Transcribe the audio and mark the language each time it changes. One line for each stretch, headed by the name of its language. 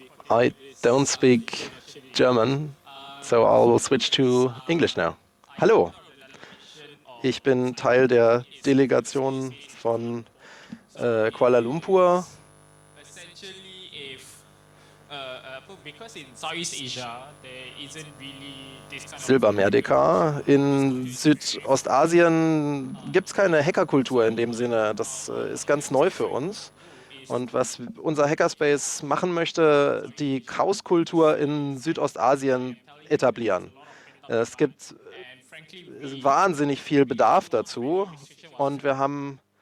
English: I don't speak German, so I'll switch to English now.
German: Hallo. Ich bin Teil der Delegation von Kuala Lumpur.
English: Essentially, because in Southeast Asia, there isn't really this kind of... Silbermeerdekar.
German: In Südostasien gibt es keine Hackerkultur in dem Sinne. Das ist ganz neu für uns. Und was unser Hackerspace machen möchte, die Chaoskultur in Südostasien etablieren. Es gibt wahnsinnig viel Bedarf dazu. Und wir haben...